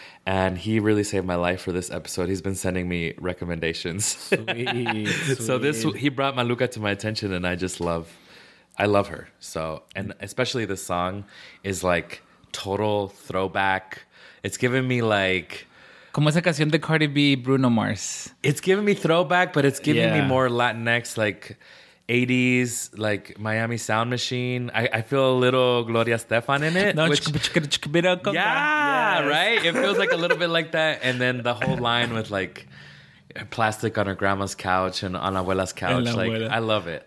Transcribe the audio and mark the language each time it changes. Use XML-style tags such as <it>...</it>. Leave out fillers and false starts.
<en>And he really saved my life for this episode. He's been sending me recommendations. Sweet. So he brought Maluka to my attention, and I love her. So, and especially this song is like total throwback. It's giving me like...</en> <es>Como esa canción de Cardi B, Bruno Mars.</es> <en>It's giving me throwback, but it's giving me more Latinx, like 80s, like Miami Sound Machine. I feel a little Gloria Estefan in it. No, right? It feels like a little bit like that. And then the whole line with like plastic on her grandma's couch and on Abuela's couch. Like, I love it.</en>